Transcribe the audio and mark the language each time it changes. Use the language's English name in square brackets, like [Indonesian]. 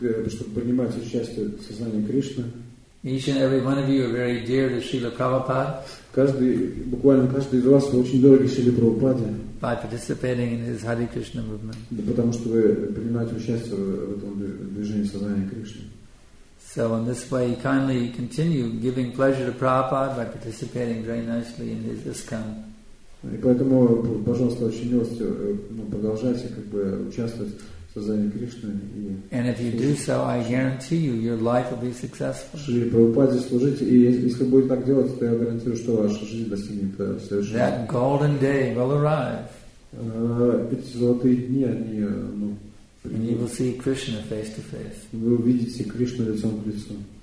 [Russian] Чтобы принимать участие в сознании Кришны. [English] Each and every one of you are very dear to Srila Prabhupada. [Russian] Каждый, буквально каждый из вас очень дорог Шриле Прабхупаде. [English] By participating in his Hare Krishna movement. [Russian] Да, потому что вы принимаете участие в этом движении сознания Кришны. [English] So in this way, you kindly continue giving pleasure to Prabhupada by participating very nicely in his ISKCON. [Russian] И поэтому, пожалуйста, очень милости, продолжайте как бы участвовать. [English] And if you do so, I guarantee you, your life will be successful. [Russian] Шри Прабхупаде служите, и если будет так делать, то я гарантирую, что ваша жизнь достигнет совершенства. [English] That golden day will arrive. [Russian] Эти золотые дни, они, ну, [English] and you will see Krishna face to face. [Russian] Вы увидите Кришну лицом к лицу.